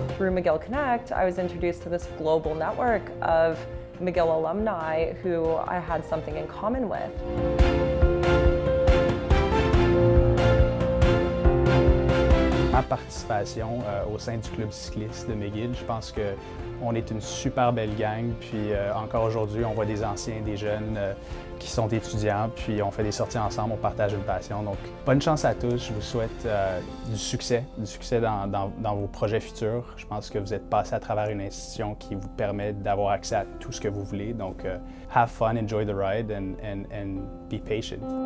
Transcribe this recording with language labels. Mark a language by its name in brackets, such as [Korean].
[English] McGill Connect, I was introduced to this global network of McGill alumni who I had something in common with. [French] Ma participation au sein du club cycliste de McGill, je pense que on est une super belle gang, puis encore aujourd'hui, on voit des anciens, des jeunes qui sont étudiants, puis on fait des sorties ensemble, on partage une passion. Donc, bonne chance à tous. Je vous souhaite du succès dans vos projets futurs. Je pense que vous êtes passé à travers une institution qui vous permet d'avoir accès à tout ce que vous voulez. [English] Donc, have fun, enjoy the ride, and be patient.